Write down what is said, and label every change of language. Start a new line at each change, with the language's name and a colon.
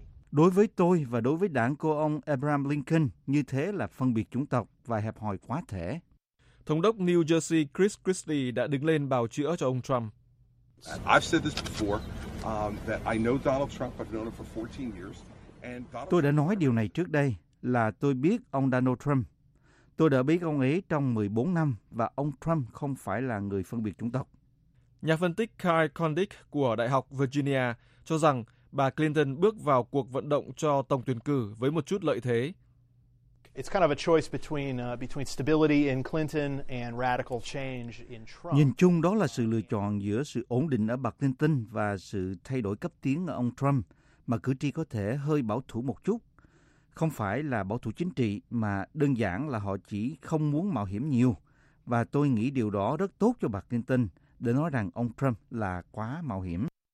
Vietnamese: Đối với tôi và đối với đảng của ông Abraham Lincoln, như thế là phân biệt chủng tộc và hẹp hòi quá thể. Thống đốc New Jersey Chris Christie đã đứng lên bào chữa cho ông Trump.
English: I've said this before, that I know Donald Trump, I've known him for 14 years.
Vietnamese: Tôi đã nói điều này trước đây, là tôi biết ông Donald Trump. Tôi đã biết ông ấy trong 14 năm và ông Trump không phải là người phân biệt chủng tộc. Nhà phân tích Kyle Condit của Đại học Virginia cho rằng bà Clinton bước vào cuộc vận động cho tổng tuyển cử với một chút lợi thế.
English: It's kind of a choice between stability in Clinton and radical change in Trump.
Vietnamese: Nhìn chung đó là sự lựa chọn giữa sự ổn định ở bà Clinton và sự thay đổi cấp tiến ở ông Trump, mà cử tri có thể hơi bảo thủ một chút. Không phải là bảo thủ chính trị, mà đơn giản là họ chỉ không muốn mạo hiểm nhiều. Và tôi nghĩ điều đó rất tốt cho bà Clinton, để nói rằng ông Trump là quá mạo hiểm.